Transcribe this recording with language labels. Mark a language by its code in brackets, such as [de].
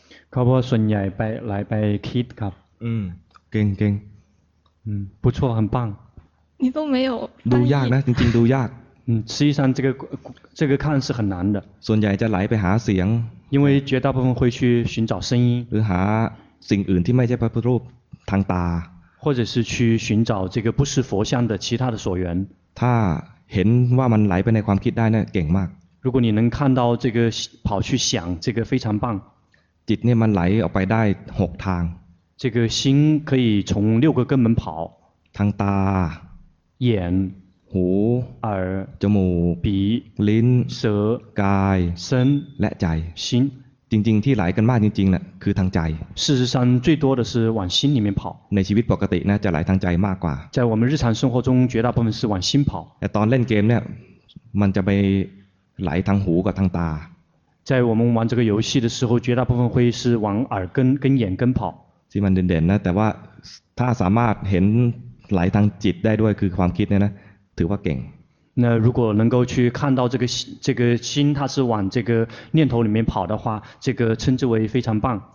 [th] ก็เพราะส่วนใหญ่ไปคิดครับ เก่ง [zh] 不错很棒你都没有 [th] ดูยากนะจริงๆดูยาก [zh] 实际上这个看是很难的 [th] ส่วนใหญ่จะไหลไปหาเสียง [zh] 因为绝大部分会去寻找声音 [th] หรือหาสิ่งอื่นที่ไม่ใช่พระพุทธรูปทางตา [zh] 或者是去寻找这个不是佛像的其他的所缘 [th] ถ้าเห็นว่ามันไหลไปในความคิดได้เนี่ยเก่งมาก [zh] 如果你能看到这个跑去想这个非常棒 [th] จิตเนี่ยมันไหลออกไปได้6ทาง [zh] 这个心可以从6个根门跑 [th] ทางตา [zh] 眼 [th] หู [zh] 耳 [th] จมูก [zh] 鼻 [th] ลิ้น [zh] 舌 [th] กาย [zh] 身 [th] และใจ [zh] 心 [th] จริงๆที่ไหลกันมากจริงๆแหละคือทางใจ [zh] 事实上最多的是往心里面跑 [th] ในชีวิตปกตินะจะไหลทางใจมากกว่า [zh] 在我们日常生活中绝大部分是往心跑 [th] แต่ตอนเล่นเกมเนี่ยมันจะไปไหลทางหูกับทางตา [zh] 在我们玩这个游戏的时候绝大部分会是往耳根跟眼根跑 [th] ที่มันเด่นๆนะแต่ว่าถ้าสามารถเห็นไหลทางจิตได้ด้วยคือความคิดเนี่ยนะถือว่าเก่ง [zh] 那如果能够去看到这个心它是往这个念头里面跑的话这个称之为非常棒